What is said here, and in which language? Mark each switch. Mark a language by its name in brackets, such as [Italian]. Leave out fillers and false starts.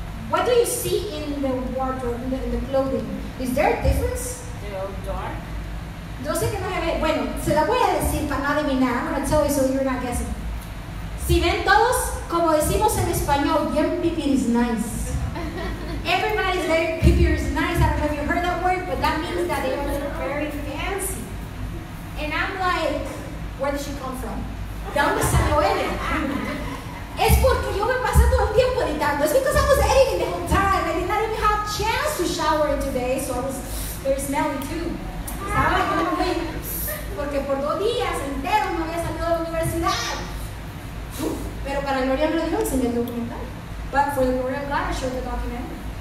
[English] What do you see in the wardrobe, in the clothing? Is there a difference? Dark. [Spanish] Yo sé que no se ve. Bueno, se la voy a decir para no adivinar. [English] I'm going to tell you so you're not guessing. [Spanish] Si ven todos, como decimos en español, [English] your pipir is nice. Everybody's very pipir is nice. I don't know if you heard that word, but that means that they are very fancy. And I'm like, where did she come from? [Spanish] ¿Dónde se lo ve? Es porque yo me pasé todo el tiempo editando. [English] It's because I was editing the whole time. I did not even have a chance to shower today, so I was very smelly too. [Spanish] Estaba como me, porque por dos días enteros no había salido de la universidad. Pero para gloria a Dios, enseñé el documental. [English] But for the glory of God, I showed the documentary.